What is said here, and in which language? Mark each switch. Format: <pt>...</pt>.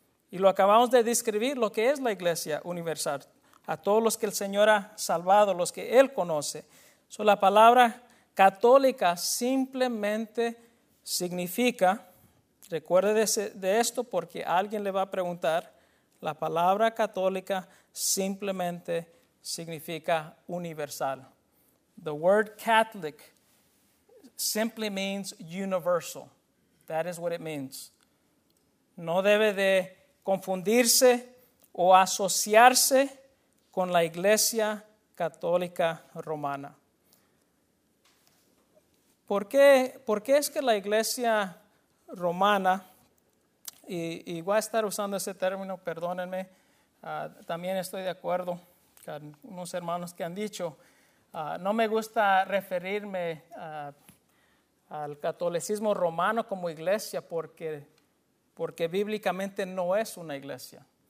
<es>Y lo acabamos de describir, lo que es la iglesia universal, a todos los que el Señor ha salvado, los que Él conoce. So, la palabra católica simplemente significa... Recuerde de esto porque alguien le va a preguntar, la palabra católica simplemente significa universal.</es> <en>The word Catholic simply means universal. That is what it means.</en> <es>No debe de confundirse o asociarse con la Iglesia Católica Romana. ¿Por qué es que la Iglesia Romana, y voy a estar usando ese término, perdónenme, también estoy de acuerdo con unos hermanos que han dicho, no me gusta referirme al catolicismo romano como iglesia porque bíblicamente no es una iglesia.</es>